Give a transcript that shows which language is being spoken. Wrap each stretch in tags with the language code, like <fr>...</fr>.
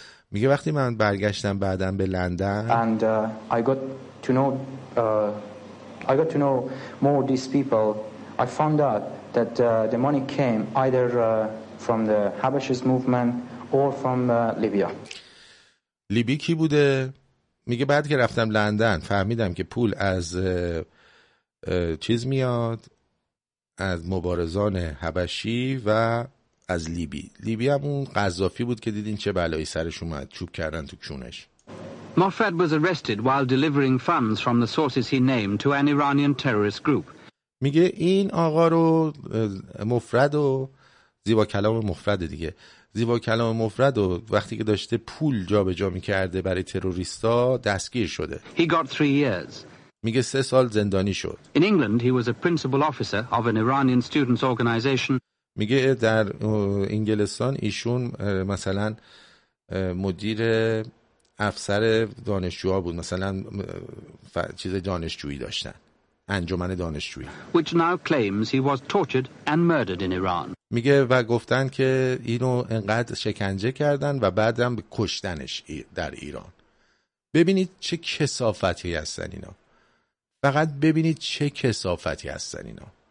<fa>میگه وقتی من برگشتم بعدم به لندن.</fa> <en>And I got to know more these people. I found out that the money came either from the Habashis movement or from Libya.</en> <fa>لیبی کی بوده؟ میگه بعد که رفتم لندن فهمیدم که پول از چیز میاد، از مبارزان حبشی و از لیبی. لیبی همون قذافی بود که دیدین چه بلایی سرش اومد، چوب کردن تو کشونش.</fa> <en>Mofred was arrested while delivering funds from the sources he named to an Iranian terrorist group.</en> <fa>میگه این آقا رو مفرد و زیبا کلام مفرد دیگه زیبا کلام مفرد و وقتی که داشته پول جابجا می‌کرده برای تروریستا دستگیر شده.</fa> <en>He got 3 years.</en> <fa>میگه 3 سال زندانی شد.</fa> <en>In England he was a principal officer of an Iranian students organization.</en> <fa>میگه در انگلستان ایشون مثلا مدیر افسر دانشجوها بود مثلا چیز دانشجویی داشتن انجمن دانشجویی</fa> <en>which now claims he was tortured and murdered in Iran</en> <fa>میگه و گفتن که اینو انقدر شکنجه کردن و بعدم کشتنش در ایران ببینید چه کثافتی هستن اینا فقط ببینید چه کثافتی هستن اینا</fa>